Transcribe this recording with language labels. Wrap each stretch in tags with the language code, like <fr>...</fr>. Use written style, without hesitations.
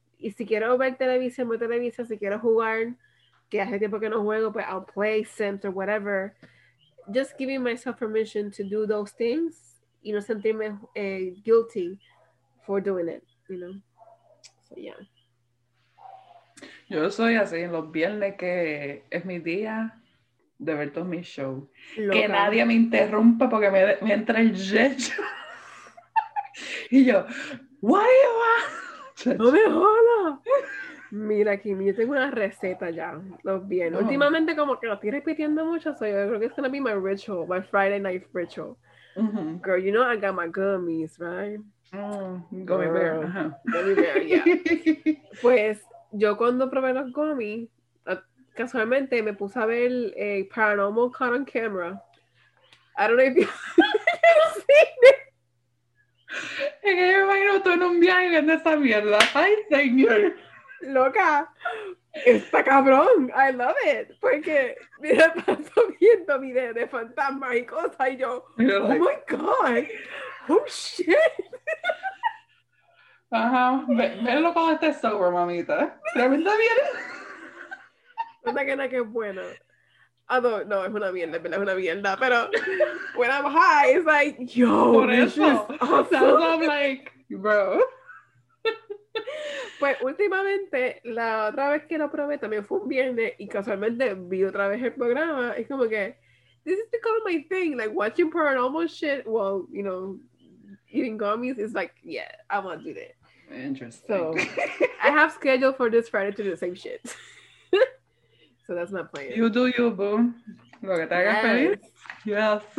<es>Y si quiero ver televisión, voy a televisión. Si quiero jugar, que hace tiempo que no juego,</es> <en>but I'll play Sims or whatever. Just giving myself permission to do those things</en> <es>y no sentirme</es> <en>guilty for doing it, you know? So, yeah.</en> <es>Yo soy así en los viernes que es mi día de ver todos mis shows. Que nadie me interrumpa porque me entra el yecho. Y yo, ¿why you want? No me jodas. Mira, Kim, yo tengo una receta ya. Los bien. Oh. Últimamente como que lo estoy repitiendo mucho, so yo creo que</es> <en>it's gonna be my ritual, my Friday night ritual. Girl, you know I got my gummies, right? Gummy bear. Gummy bear, yeah.</en> <es>Pues, yo cuando probé los gummies, casualmente me puse a ver Paranormal Caught on Camera.</es> <en>I don't know if you've seen it.</en> <es>Es que yo me imagino tú en un viaje viendo esa mierda. ¡Ay, señor! ¡Loca! ¡Está cabrón!</es> <en>¡I love it!</en> <es>Porque me pasó viendo videos de fantasmas y cosas y yo, you're</es> <en>¡oh, like, my God! ¡Oh, shit!</en> <es>Ajá. Velo cuando estés sober, mamita. ¡Tremenda mierda! Una que es buena. Although, no, es una mierda, es una mierda, pero</es> <en>when I'm high, it's like,</en> <es>yo, por eso,</es> <en>awesome. So I'm like, bro.</en> <es>Pues últimamente, la otra vez que lo probé también fue un viernes y casualmente vi otra vez el programa. Es como que,</es> <en>this is become my thing, like watching paranormal shit while, you know, eating gummies. It's like, yeah, I'm gonna do that. Interesting. So I have scheduled for this Friday to do the same shit. So that's not playing. You do you, boo.</en> <es>Lo que te haga feliz.</es> <en>Yes.</en>